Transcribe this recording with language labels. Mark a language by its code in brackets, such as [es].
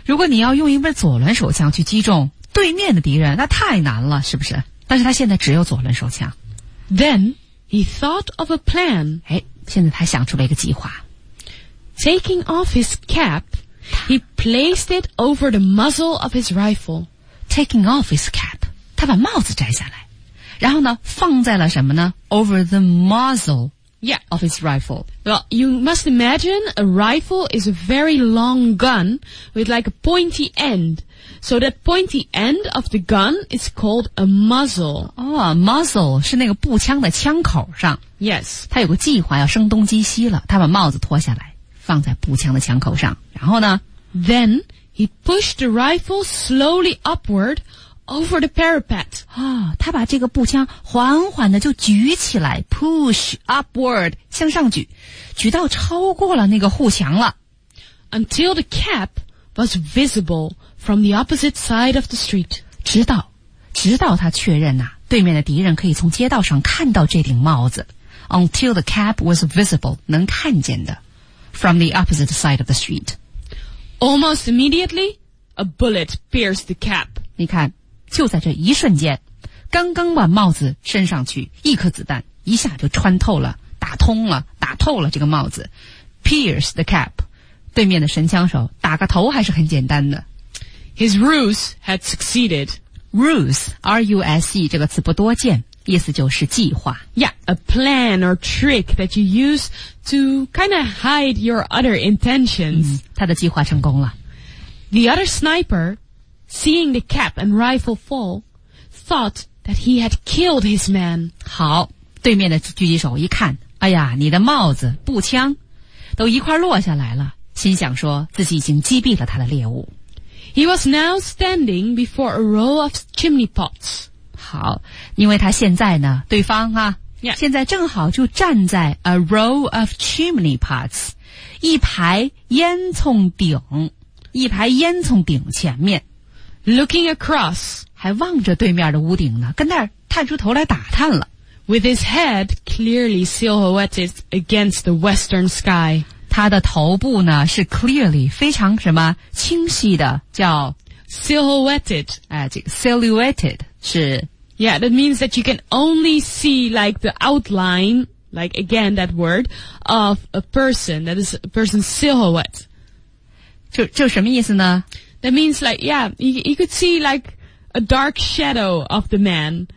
[zh] 如果你要用一把左轮手枪去击中对面的敌人，那太难了，是不是？但是他现在只有左轮手枪。 [en] Then, he thought of a plan. [zh] 哎，现在他想出了一个计划。 [en] Taking off his cap, he placed it over the muzzle of his rifle. Taking off his cap, [zh] 他把帽子摘下来，然后呢，放在了什么呢？ [en] Over the muzzle. Yeah. Of his rifle. Well, you must imagine a rifle is a very long gun with like a pointy end. So that pointy end of the gun is called a muzzle. [zh] Oh, muzzle 是那个步枪的枪口上。 [en] Yes. [zh] 他有个计划要声东击西了，他把帽子脱下来。放在步枪的枪口上，然后呢 [en] ？Then he pushed the rifle slowly upward over the parapet. [zh] 啊、哦，他把这个步枪缓缓的就举起来 ， [en] push upward [zh] 向上举，举到超过了那个护墙了。 [en] Until the cap was visible from the opposite side of the street. [zh] 直到他确认呐、啊，对面的敌人可以从街道上看到这顶帽子。 [en] Until the cap was visible， [zh] 能看见的。 [en] From the opposite side of the street. Almost immediately, a bullet pierced the cap. [zh] 你看，就在这一瞬间，刚刚把帽子伸上去，一颗子弹一下就穿透了，打通了，打透了这个帽子。 [en] Pierced the cap. [zh] 对面的神枪手打个头还是很简单的。 [en] His ruse had succeeded. [zh] Ruse, R-U-S-E, 这个词不多见。意思就是计划。 [en] Yeah, a plan or trick that you use to kind of hide your other intentions.、 [zh] 嗯、他的计划成功了。 [en] The other sniper, seeing the cap and rifle fall, thought that he had killed his man. [zh] 好，对面的狙击手一看，哎呀，你的帽子、步枪都一块落下来了，心想说自己已经击毙了他的猎物。 [en] He was now standing before a row of chimney pots. [zh] 好，因为他现在呢，对方啊、 [en] yeah. [zh] 现在正好就站在 [en] a row of chimney pots， [zh] 一排烟囱顶，一排烟囱顶前面 [en] ，looking across， [zh] 还望着对面的屋顶呢，跟那儿探出头来打探了 [en] ，with his head clearly silhouetted against the western sky， [zh] 他的头部呢是 clearly 非常什么清晰的，叫 [en] silhouetted， [zh] 哎，这个 silhouetted。是 [en] Yeah, that means that you can only see like the outline, like again that word, of a person, that is a person's silhouette. [zh] 就什么意思呢 [en] That means like, yeah, you could see like a dark shadow of the man.